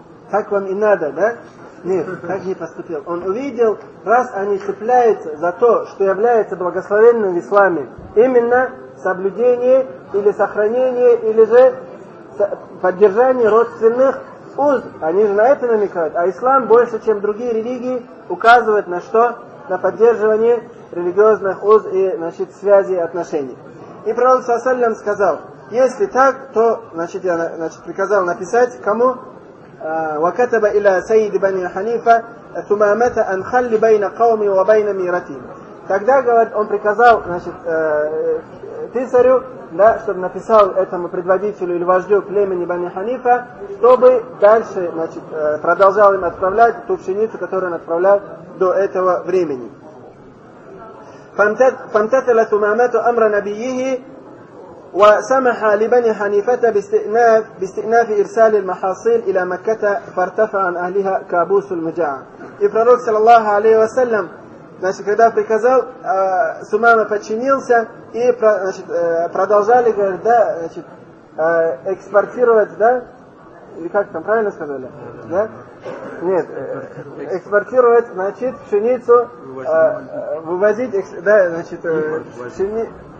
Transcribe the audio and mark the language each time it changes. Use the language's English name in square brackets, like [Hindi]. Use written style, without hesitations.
[Russian] Так вам и надо, да? Нет, так не поступил. Он увидел, раз они цепляются за то, что является благословенным в исламе, именно соблюдение или сохранение, или же поддержание родственных уз. Они же на это намекают. А ислам больше, чем другие религии, указывает на что? На поддерживание религиозных уз и, значит, связи и отношений. И пророк саллям сказал, если так, то, значит, я, значит, приказал написать кому? [Arabic] وكتب الى سيد بني حنيفه ثمامه ان خل بين قومي وبين ميرتي. [Russian] Тогда, говорит, он приказал, значит, писарю, да, чтобы написал этому предводителю или вождю племени Бани Ханифа, чтобы дальше, значит, продолжал им отправлять ту пшеницу, которую он отправлял до этого времени. [Arabic] فامتثل ثمامه امر نبيه وسمح لبني حنيفة باستئناف إرسال المحاصيل إلى مكة فارتفع عن أهلها كابوس المجاعة. [Russian] И пророк саллаллаху алейхи ва саллям, значит, когда приказал, Сумама подчинился и, значит, продолжали, говорит, да, значит, экспортировать, да, или как там правильно сказали, да? Нет, экспортировать, значит, пшеницу, вывозить, да, значит, пшеницу.